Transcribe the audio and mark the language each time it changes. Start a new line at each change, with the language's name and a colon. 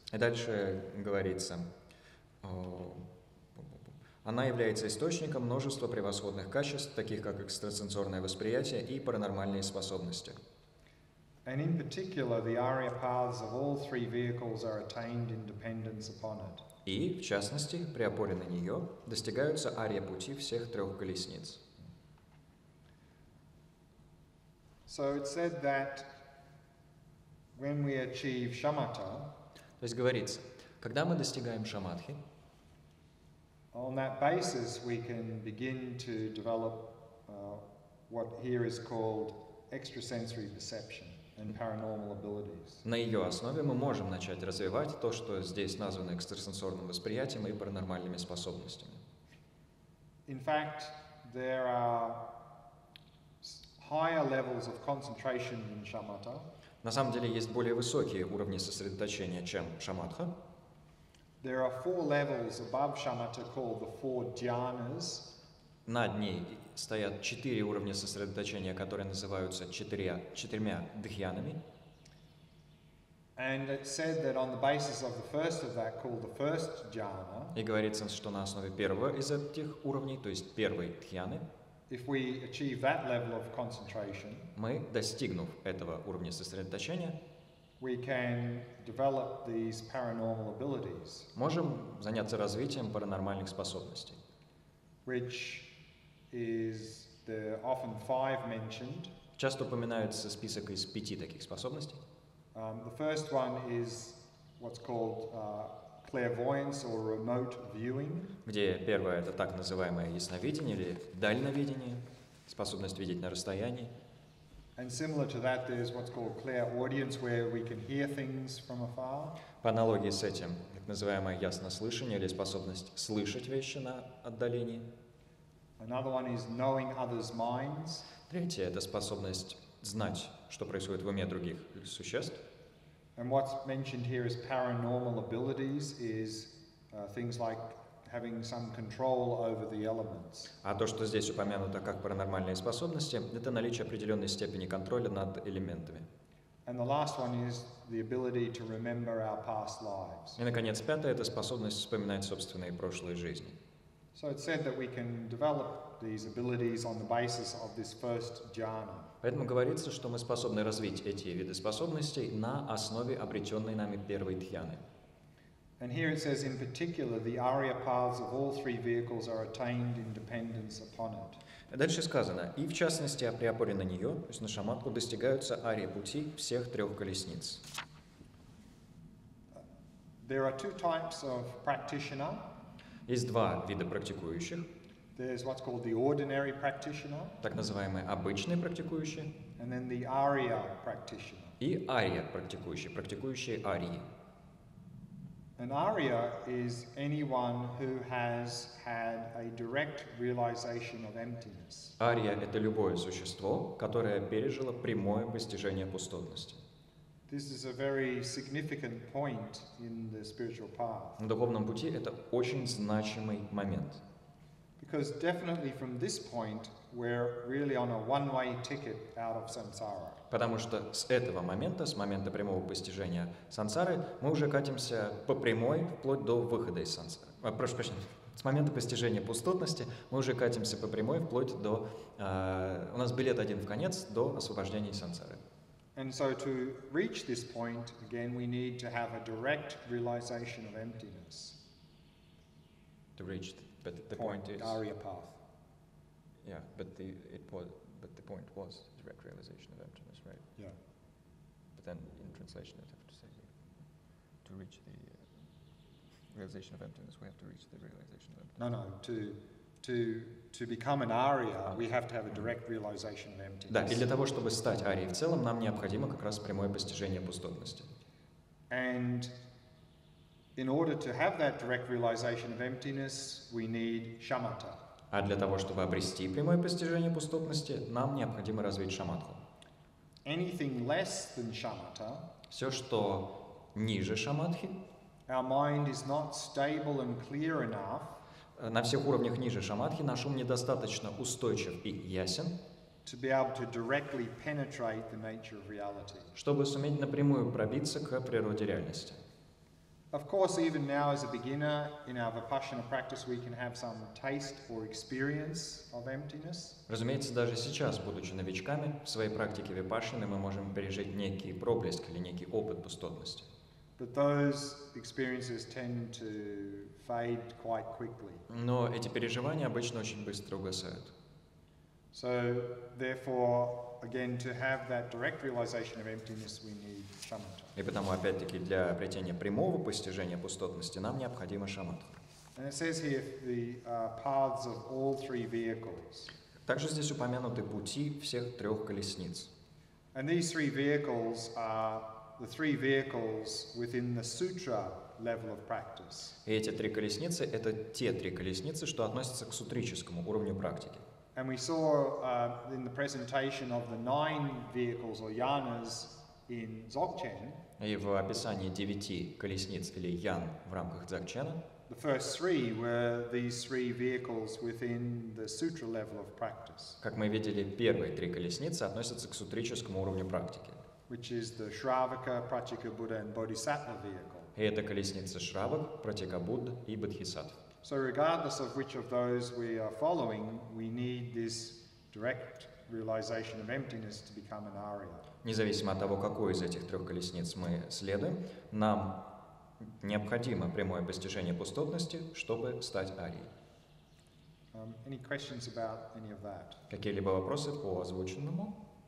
Russian: И дальше говорится, она является источником множества превосходных качеств, таких как экстрасенсорное восприятие и паранормальные способности.
English: And in particular, the Arya paths of all three vehicles are attained in dependence upon it.
Russian: И, в частности, при опоре на нее достигаются Арья пути всех трех колесниц.
English: So it's said that when we achieve shamatha,
Russian: то есть говорится, когда мы достигаем шаматхи,
English: on that basis we can begin to develop what here is called extrasensory perception. And paranormal abilities.
Russian: На ее основе мы можем начать развивать то, что здесь названо экстрасенсорным восприятием и паранормальными способностями.
English: In fact, there are higher levels of concentration than shamatha.
Russian: На самом деле есть более высокие уровни сосредоточения, чем шаматха.
English: There are four levels above shamatha called the four dhyanas.
Russian: Над ней стоят четыре уровня сосредоточения, которые называются четырьмя дхьянами.
English: And it said that on the basis of the first of that, called the first jhana.
Russian: И говорится, что на основе первого из этих уровней, то есть первой дхьяны,
English: if we achieve that level of concentration,
Russian: мы, достигнув этого уровня сосредоточения,
English: we can develop these paranormal abilities.
Russian: Можем заняться развитием паранормальных способностей,
English: which is the often five mentioned.
Russian: Часто упоминается список из пяти таких способностей.
English: The first one is what's called clairvoyance or remote viewing.
Russian: Где первое — это так называемое ясновидение или дальновидение, способность видеть на расстоянии.
English: And similar to that, there's what's called clairaudience, where we can hear things from afar.
Russian: По аналогии с этим, так называемое яснослышание или способность слышать вещи на отдалении.
English: Another one is knowing others' minds.
Russian: Третье — это способность знать, что происходит в уме других существ.
English: And what's mentioned here is paranormal abilities, is things like having some control over the elements.
Russian: А то, что здесь упомянуто как паранормальные способности, это наличие определенной степени контроля над элементами.
English: And the last one is the ability to remember our past lives.
Russian: И, наконец, пятое — это способность вспоминать собственные прошлые жизни.
English: So it's said that we can develop these abilities on the basis of this first jhana.
Russian: Поэтому говорится, что мы способны развить эти виды способностей на основе обретенной нами первой дхьяны.
English: And here it says in particular the arya paths of all three vehicles are attained in dependence upon it.
Russian: Дальше сказано, и в частности при опоре на нее, то есть на шаматку, достигаются арья пути всех трех колесниц.
English: There are two types of practitioner.
Russian: Есть два вида практикующих.
English: There's what's called the ordinary practitioner.
Russian: Так называемые обычные практикующие.
English: And then the aria practitioner.
Russian: И ария практикующие, практикующие арии.
English: An aria is anyone who has had a direct realization of emptiness.
Russian: Ария — это любое существо, которое пережило прямое постижение пустотности.
English: This is a very significant point in the spiritual path.
Russian: На духовном пути это очень значимый момент.
English: Because definitely from this point we're really on a one-way ticket out of samsara.
Russian: Потому что с этого момента, с момента прямого постижения сансары, мы уже катимся по прямой вплоть до выхода из сансары. Прошу прощения. С момента постижения пустотности мы уже катимся по прямой вплоть до у нас билет один в конец до освобождения из сансары.
English: And so to reach this point, again, we need to have a direct realization of emptiness. To reach the point is... Arya path. Yeah, but the point was direct realization of emptiness, right? Yeah. But then in translation, I'd have to say, to reach the realization of emptiness, we have to reach the realization of emptiness. No, To become an aria, we have to have a direct realization of emptiness.
Russian: Да, и для того, чтобы стать арией в целом, нам необходимо как раз прямое постижение пустотности.
English: And in order to have that direct realization of emptiness, we need shamatha.
Russian: А для того, чтобы обрести прямое постижение пустотности, нам необходимо развить шаматху.
English: Anything less than shamatha,
Russian: все, что ниже шаматхи,
English: our mind is not stable and clear enough.
Russian: На всех уровнях ниже шаматхи наш ум недостаточно устойчив и ясен,
English: to be able to directly penetrate the nature of reality.
Russian: Чтобы суметь напрямую пробиться к природе реальности.
English: Of course, even now as a beginner in our vipassana practice, we can have some taste or experience of emptiness.
Russian: Разумеется, даже сейчас, будучи новичками в своей практике випашаны, мы можем пережить некий проблеск или некий опыт пустотности.
English: But those experiences tend to fade quite quickly.
Russian: Но эти переживания обычно очень быстро угасают.
English: So, therefore, again, to have that direct realization of emptiness, we need shamatha.
Russian: И потому, опять-таки, для обретения прямого постижения пустотности нам необходимо шаматха.
English: And it says here the paths of all three vehicles.
Russian: Также здесь упомянуты пути всех трех колесниц.
English: And these three vehicles are the three vehicles within the sutra level of practice.
Russian: И эти три колесницы — это те три колесницы, что относятся к сутрическому уровню практики.
English: And we saw in the presentation of the nine vehicles or yanas in Dzogchen.
Russian: И в описании девяти колесниц или ян в рамках Дзогчена.
English: The first three were these three vehicles within the sutra level of practice.
Russian: Как мы видели, первые три колесницы относятся к сутрическому уровню практики.
English: Which is the Shravaka, Pratyekabuddha, and Bodhisattva vehicle.
Russian: И это колесница Шравак, Пратикабудда и Бодхисаттва.
English: So regardless of which of those we are following, we need this direct realization of emptiness to become an arya.
Russian: Независимо от того, какой из этих трех колесниц мы следуем, нам необходимо прямое постижение пустотности, чтобы стать арией.
English: Any questions about any of that?
Russian: Какие-либо вопросы по озвученному?